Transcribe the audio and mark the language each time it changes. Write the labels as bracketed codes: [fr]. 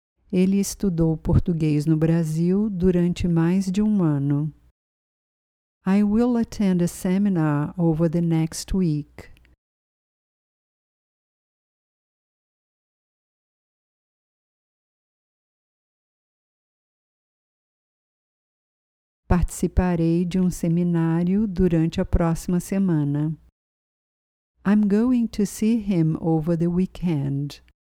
[pt] Ele estudou português no Brasil durante mais de um ano. [en] I will attend a seminar over the next week. [pt] Participarei de um seminário durante a próxima semana. [en] I'm going to see him over the weekend.